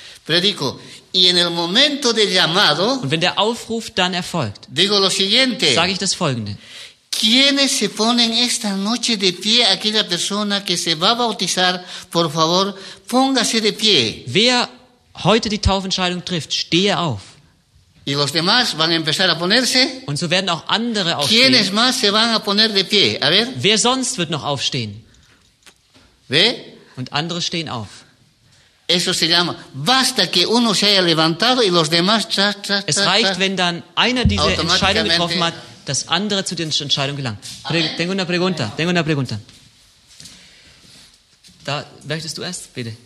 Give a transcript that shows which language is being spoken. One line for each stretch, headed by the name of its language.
German: Und wenn der Aufruf dann erfolgt, sage ich das Folgende.
Spanish: Quienes se ponen esta noche de pie, aquella persona que se va a bautizar, por favor, póngase de pie.
German: Wer heute die Taufentscheidung trifft, stehe auf.
Spanish: Y los demás van a empezar a ponerse.
German: Und so werden auch andere aufstehen.
Spanish: Quienes más se van a poner de pie, a ver.
German: Wer sonst wird noch aufstehen? Wer? Und andere stehen auf.
Spanish: Eso se llama, basta que uno se haya levantado y los demás.
German: Es reicht, wenn dann einer diese Entscheidung getroffen hat, dass andere zu den Entscheidungen gelangen.
Spanish: Tengo una pregunta.
German: Da möchtest du erst, bitte.